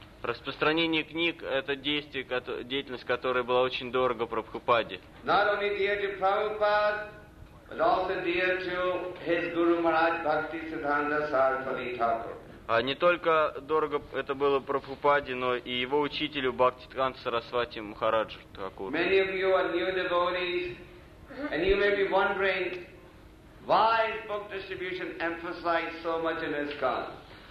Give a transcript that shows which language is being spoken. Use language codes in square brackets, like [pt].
[ru] Распространение книг – это действие, деятельность, которая была очень дорого Прабхупаде. [en] Not only dear to Prabhupada, but also dear to his Guru Maharaj Bhakti Siddhanta Saraswati Thakur. [ru] А не только дорого это было Прабхупаде, но и его учителю Бхакти Сиддханта Сарасвати Махараджу Такур. [en] Many of you are new devotees, and you may be wondering why is book distribution emphasized so much in ISKCON.